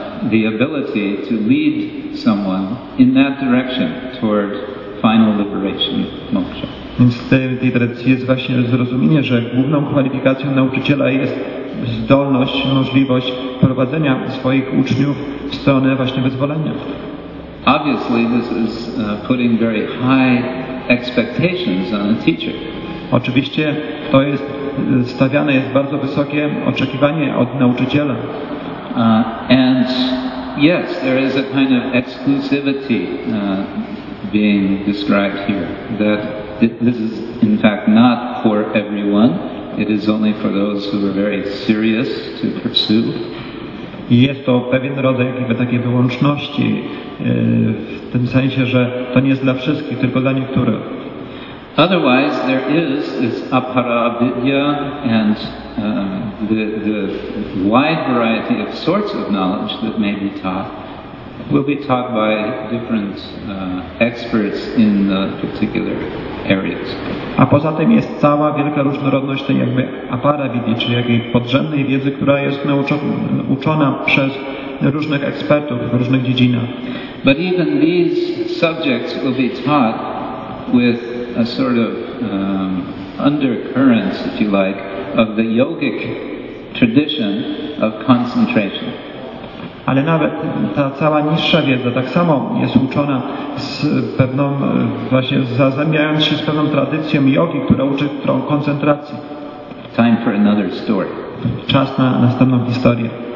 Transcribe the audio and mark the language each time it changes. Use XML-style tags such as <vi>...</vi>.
<en>The ability to lead someone in that direction toward final liberation, moksha.</en> <pl>Więc w tej tradycji jest właśnie zrozumienie, że główną kwalifikacją nauczyciela jest zdolność, możliwość prowadzenia swoich uczniów w stronę właśnie wyzwolenia.</pl> <en>Obviously this is putting very high expectations on a teacher.</en> <pl>Oczywiście to jest stawiane jest bardzo wysokie oczekiwanie od nauczyciela.</pl> <en>And yes, there is a kind of exclusivity being described here, that this is in fact not for everyone, it is only for those who are very serious to pursue.</en> <pl>Jest to pewien rodzaj jakby takiej wyłączności, w tym sensie, że to nie jest dla wszystkich, tylko dla niektórych.</pl> <en>Otherwise, there is this aparavidya and the wide variety of sorts of knowledge that may be taught will be taught by different experts in the particular areas.</en> <pl>A poza tym jest cała wielka różnorodność tej jakby aparavidyi, czyli jakiej podrzędnej wiedzy, która jest uczona przez różnych ekspertów w różnych dziedzinach.</pl> <en>But even these subjects will be taught with a sort of undercurrent, if you like, of the yogic tradition of concentration.</en> <pl>A ale nawet ta cała niższa wiedza tak samo jest uczona z pewną, właśnie zazębiając się z pewną tradycją jogi, która uczy tą koncentracji.</pl> <en>Time for another story.</en> <pl>Czas na następną historię.</pl>